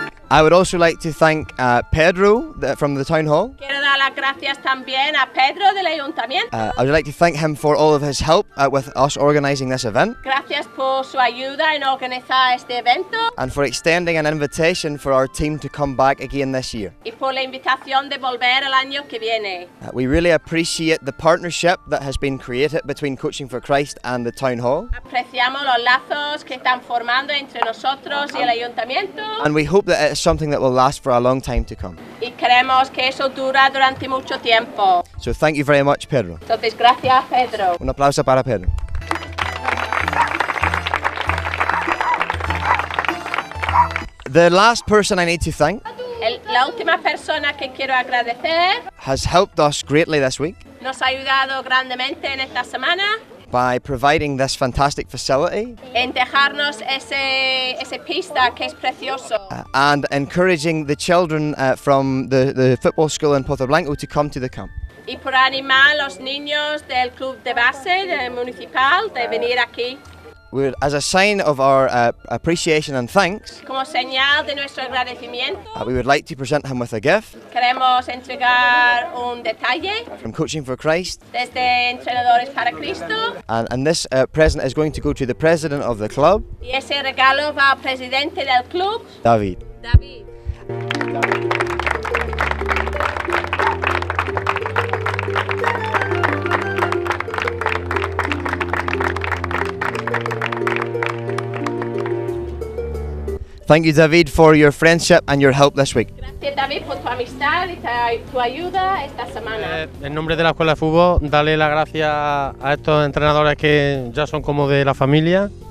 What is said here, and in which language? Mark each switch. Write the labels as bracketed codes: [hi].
[en] I would also like to thank Pedro from the town hall. [es] Quiero dar las gracias también a Pedro del ayuntamiento. [en] I would like to thank him for all of his help with us organizing this event. [es] Gracias por su ayuda en organizar este evento. [en] And for extending an invitation for our team to come back again this year. [es] Y por la invitación de volver el año que viene. [en] We really appreciate the partnership that has been created between Coaching for Christ and the town hall. [es] Apreciamos los lazos que están formando entre nosotros y el ayuntamiento. [en] And we hope that it's something that will last for a long time to come. [es] Y creemos que eso dura durante mucho tiempo. [en] So thank you very much, Pedro. [es] Entonces, gracias, Pedro. Un aplauso para Pedro. [en] The last person I need to thank [es] la última persona que quiero agradecer [en] has helped us greatly this week. [es] Nos ha ayudado grandemente en esta semana. [en] By providing this fantastic facility, [es] en dejarnos ese pista que es precioso, [en] and encouraging the children from the football school in Pozo Blanco to come to the camp, [es] y por animar los niños del club de base del municipal de venir aquí. [en] We're, as a sign of our appreciation and thanks, [es] como señal de nuestro agradecimiento, [en] we would like to present him with a gift. [es] Queremos entregar un detalle [en] from Coaching for Christ. [es] Desde Entrenadores para Cristo. [en] And this present is going to go to the president of the club. [es] Y ese regalo va al presidente del club. [en] David. Thank you, David, for your friendship and your help this week. [es] Gracias, David, por tu amistad y tu ayuda esta semana. En nombre de la Escuela de Fútbol, dale las gracias a estos entrenadores que ya son como de la familia.